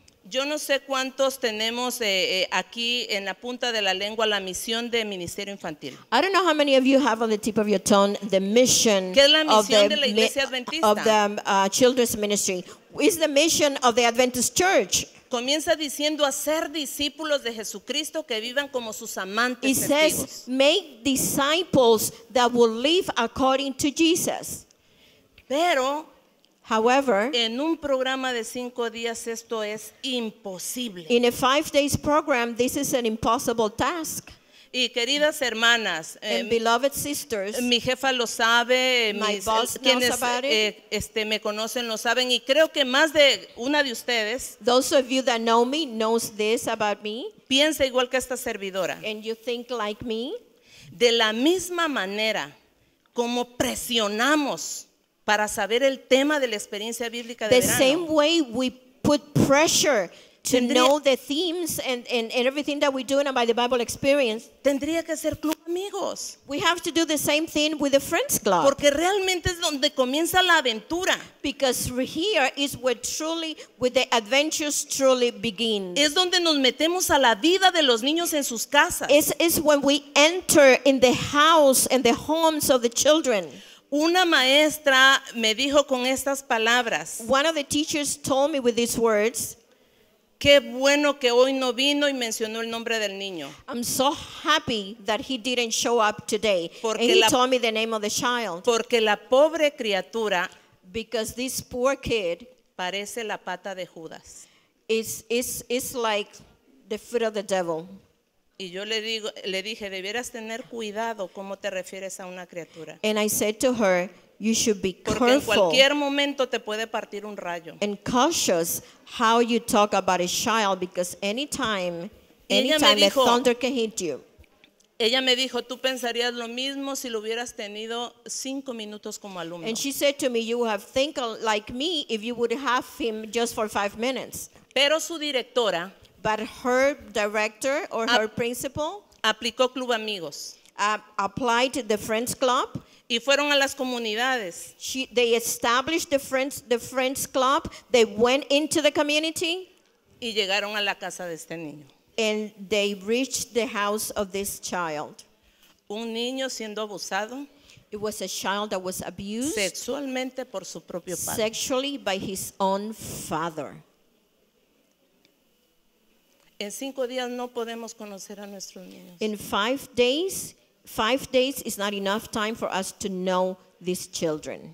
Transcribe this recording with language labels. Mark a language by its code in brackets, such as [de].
[es] Yo no sé cuántos tenemos aquí en la punta de la lengua la misión de Ministerio Infantil. [en] I don't know how many of you have on the tip of your tongue the mission of the children's ministry. Is the mission of the Adventist Church? [es] Comienza diciendo hacer discípulos de Jesucristo que vivan como sus amantes testigos. [en] It says make disciples that will live according to Jesus. [es] Pero [en] however, [es] en un programa de 5 días esto es imposible. [en] In a 5 days program, this is an impossible task. [es] Y queridas hermanas, [en] and beloved sisters, [es] mi jefa lo sabe, quienes me conocen lo saben, y creo que más de una de ustedes. [en] Those of you that know me knows this about me. [es] Piensa igual que esta servidora. [en] And you think like me. [es] De la misma manera como presionamos para saber el tema de la experiencia bíblica de [en] the [es] verano. [en] The same way we put pressure to know the themes and everything that we do in the Bible experience. [es] Tendría que ser club amigos. [en] We have to do the same thing with the friends club. [es] Porque realmente es donde comienza la aventura. [en] Because here is where truly with the adventures truly begin. [es] Es donde nos metemos a la vida de los niños en sus casas. [en] It's when we enter in the house and the homes of the children. [es] Una maestra me dijo con estas palabras. [en] One of the teachers told me with these words. [es] Qué bueno que hoy no vino y mencionó el nombre del niño. [en] I'm so happy that he didn't show up today. [es] Porque [en] and he told me the name of the child. [es] Porque la pobre criatura. [en] Because this poor kid. [es] Parece la pata de Judas. [en] It's like the foot of the devil. [es] Y yo le dije, debieras tener cuidado cómo te refieres a una criatura. [en] And I said to her, you should be [es] porque [en] careful. [es] En cualquier momento te puede partir un rayo. [en] And cautious how you talk about a child, because anytime [es] dijo, [en] the thunder can hit you. [es] Ella me dijo, tú pensarías lo mismo si lo hubieras tenido 5 minutos como alumno. [en] And she said to me, you would have think like me if you would have him just for 5 minutes. [es] Pero su directora, [en] but her director or her principal, [es] aplicó Club Amigos. [en] Applied the Friends Club. [es] Y fueron a las comunidades. [en] They established the Friends Club. They went into the community. [es] Y llegaron a la casa de este niño. [en] And they reached the house of this child. [es] Un niño siendo abusado. [en] It was a child that was abused. [es] Sexualmente por su propio padre. [en] Sexually by his own father. [es] En 5 días no podemos conocer a nuestros niños. [en] In 5 days. 5 days is not enough time for us to know these children.